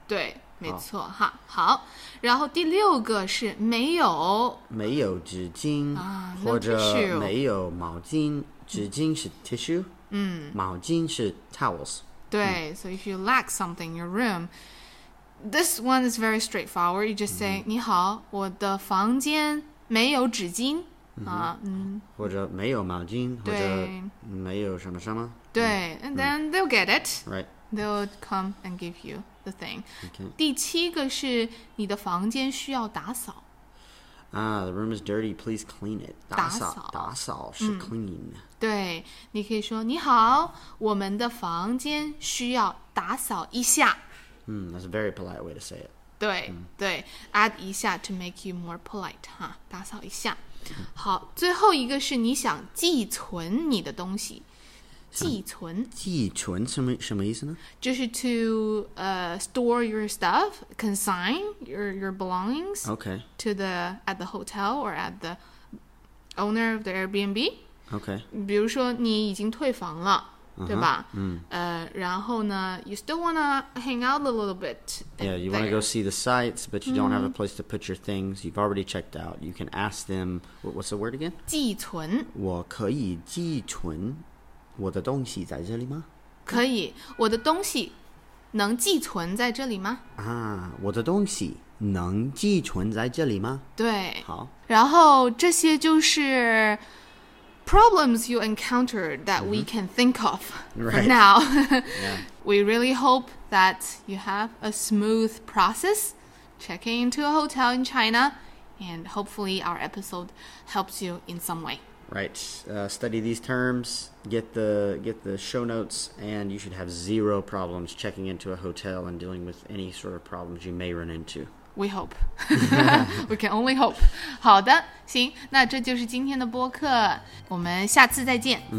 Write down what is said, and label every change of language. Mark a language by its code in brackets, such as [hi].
[zh] 对,没错哈。好。然后第六个是没有。没有纸巾。或者没有毛巾。纸巾是 tissue, 毛巾是 towels. 对, [en] so if you lack something in your room, this one is very straightforward. You just say, [zh] 你好,我的房间没有纸巾。或者没有毛巾，或者没有什么什么。 [en] 对，and then they'll get it. Right. They'll come and give you the thing. Okay. [zh] 第七个是你的房间需要打扫。 [en] The room is dirty. Please clean it. [zh] 打扫是 clean. 对，你可以说你好，我们的房间需要打扫一下。 [en] That's a very polite way to say it. 对对 ，add 一下 to make you more polite. 哈， [zh] 打扫一下。好，最后一个是你想寄存你的东西，寄存什么意思呢？ [en] 就是 to store your stuff, consign your belongings. Okay. At the hotel or at the owner of the Airbnb. Okay. [zh] 比如说你已经退房了， uh-huh, 对吧？然后呢 [en] ，you still wanna hang out a little bit. Yeah, you wanna go see the sights, but you don't have a place to put your things. You've already checked out. You can ask them. What's the word again? [zh] 寄存。我可以寄存我的东西在这里吗？可以，我的东西能寄存在这里吗？我的东西能寄存在这里吗？对。好。然后这些就是。 [en] Problems you encounter that we can think of right. for now. Yeah. We really hope that you have a smooth process checking into a hotel in China, and hopefully our episode helps you in some way. Right. Study these terms, get the show notes, and you should have zero problems checking into a hotel and dealing with any sort of problems you may run into. We hope. We can only hope. [zh] 好的，行，那这就是今天的播客，我们下次再见。